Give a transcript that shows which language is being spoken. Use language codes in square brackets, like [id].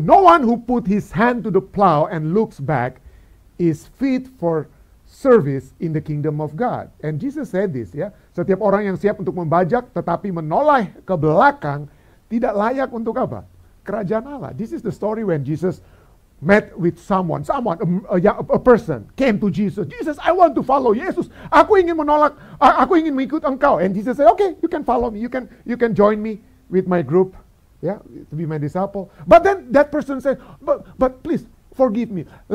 [en] No one who put his hand to the plow and looks back is fit for service in the kingdom of God. And Jesus said this, yeah. [id] Setiap orang yang siap untuk membajak tetapi menoleh ke belakang tidak layak untuk apa? Kerajaan Allah. [en] This is the story when Jesus met with someone, a person came to Jesus. Jesus, I want to follow Jesus. [id] Aku ingin menolak, aku ingin mengikut engkau. [en] And Jesus said, okay, you can follow me. You can join me with my group, yeah, to be my disciple. But then that person said, but please forgive me.